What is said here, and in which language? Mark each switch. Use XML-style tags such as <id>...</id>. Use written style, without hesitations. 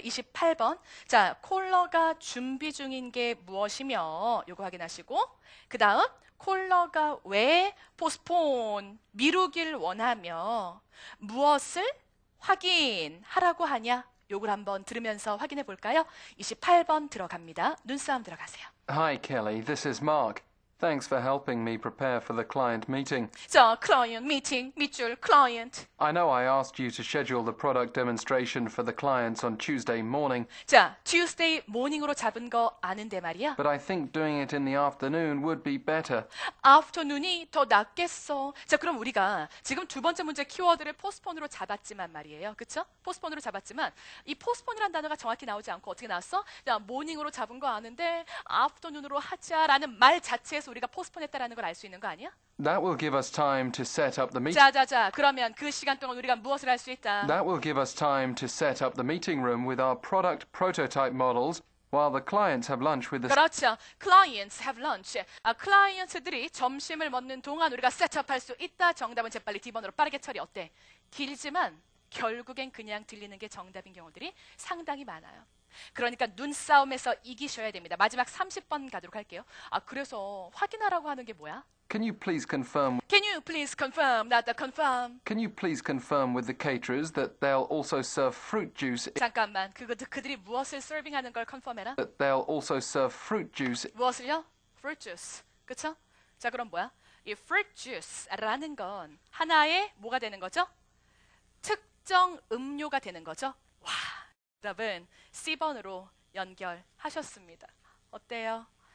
<ko>28번 자 콜러가 준비 중인 게 무엇이며 요거 확인하시고 그 다음 콜러가 왜 포스폰 미루길 원하며 무엇을 확인하라고 하냐 요걸 한번 들으면서 확인해 볼까요? 28번 들어갑니다. 눈싸움 들어가세요.</ko> <en>Hi Kelly, this is Mark. Thanks for helping me prepare for the client meeting.</en> <ko>자, client meeting, 밑줄, client.</ko> <en>I know I asked you to schedule the product demonstration for the clients on Tuesday morning.</en> <ko>자, Tuesday morning으로 잡은 거 아는데 말이야.</ko> <en>But I think doing it in the afternoon would be better.</en> <ko>Afternoon이 더 낫겠어. 자, 그럼 우리가 지금 두 번째 문제 키워드를 postpone으로 잡았지만 말이에요. 그쵸? postpone으로 잡았지만 이 postpone이라는 단어가 정확히 나오지 않고 어떻게 나왔어? 자, morning으로 잡은 거 아는데 afternoon으로 하자라는 말 자체 그래서 우리가 포스폰했다라는 걸 알 수 있는 거 아니야?</ko> <en>That will give us time to set up the meeting.</en> <ko>자자자. 그러면 그 시간 동안 우리가 무엇을 할 수 있다?</ko> <en>That will give us time to set up the meeting room with our product prototype models While the clients have lunch with the</en> <ko>그렇죠.</ko> <en>Clients have lunch.</en> <ko>아, 클라이언트들이 점심을 먹는 동안 우리가 셋업할 수 있다. 정답은 재빨리 D번으로 빠르게 처리. 어때? 길지만 결국엔 그냥 들리는 게 정답인 경우들이 상당히 많아요. 그러니까 눈싸움에서 이기셔야 됩니다. 마지막 30번 가도록 할게요. 아, 그래서 확인하라고 하는 게 뭐야?</ko> <en>Can you please confirm? Can you please confirm? Not the confirm. Can you please confirm with the caterers that they'll also serve fruit juice?</en> <ko>잠깐만. 그들이 무엇을 서빙하는 걸 컨펌해라.</ko> <en>That they'll also serve fruit juice.</en> <ko>무엇을요? Fruit juice. 그쵸? 자, 그럼 뭐야? 이 fruit juice라는 건 하나의 뭐가 되는 거죠? 특정 음료가 되는 거죠? 와, 답은 C번으로 연결하셨습니다. 어때요?</ko>